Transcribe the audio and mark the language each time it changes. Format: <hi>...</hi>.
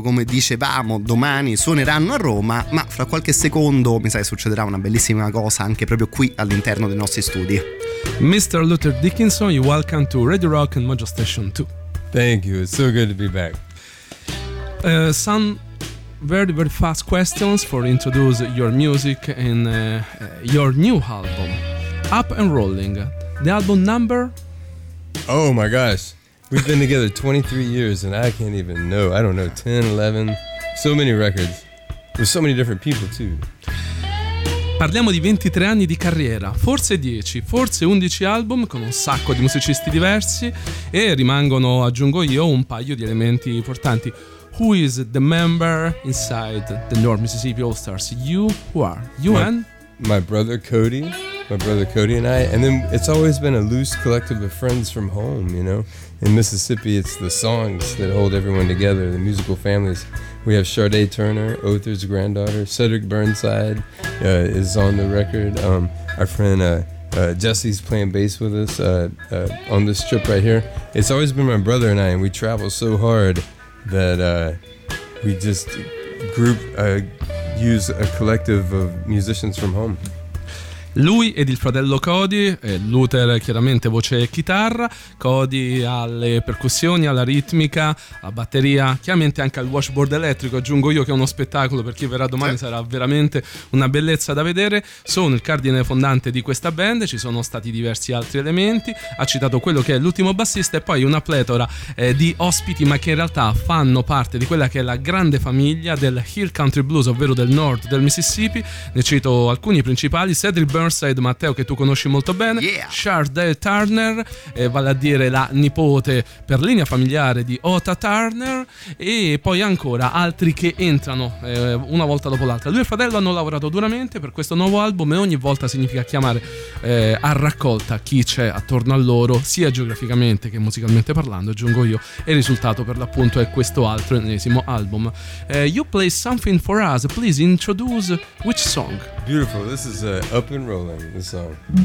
<it>Come dicevamo, domani suoneranno a Roma, ma fra qualche secondo mi sa che succederà una bellissima cosa anche proprio qui all'interno dei nostri studi.</it> <en>Mr. Luther Dickinson, you welcome to Radio Rock and Mojo Station 2. Thank you, it's so good to be back. Some very very fast questions for introduce your music and your new album Up and Rolling, the album number. Oh my gosh, we've been together 23 years and I can't even know. I don't know, 10, 11, so many records, with so many different people too.</en> <it>Parliamo di 23 anni di carriera, forse 10, forse 11 album con un sacco di musicisti diversi e rimangono, aggiungo io, un paio di elementi importanti.</it> <en>Who is the member inside the North Mississippi All Stars? You, who are? You and? My brother Cody and I, and then it's always been a loose collective of friends from home, you know. In Mississippi, it's the songs that hold everyone together, the musical families. We have Sade Turner, Othar's granddaughter, Cedric Burnside is on the record. Our friend Jesse's playing bass with us on this trip right here. It's always been my brother and I, and we travel so hard that we just use a collective of musicians from home.</en> <it>Lui ed il fratello Cody, Luther chiaramente voce e chitarra, Cody alle percussioni, alla ritmica, alla batteria, chiaramente anche al washboard elettrico, aggiungo io che è uno spettacolo, per chi verrà domani sarà veramente una bellezza da vedere. Sono il cardine fondante di questa band, ci sono stati diversi altri elementi, ha citato quello che è l'ultimo bassista e poi una pletora di ospiti, ma che in realtà fanno parte di quella che è la grande famiglia del Hill Country Blues, ovvero del nord del Mississippi. Ne cito alcuni principali: Cedric Burnside, Matteo, che tu conosci molto bene, Sade Turner, vale a dire la nipote per linea familiare di Ota Turner, e poi ancora altri che entrano una volta dopo l'altra. Lui e il fratello hanno lavorato duramente per questo nuovo album e ogni volta significa chiamare a raccolta chi c'è attorno a loro, sia geograficamente che musicalmente parlando, aggiungo io, e il risultato per l'appunto è questo altro ennesimo album.</it> <en>You play something for us, please introduce which song. Beautiful, this is Up and Rolling, the song.</en>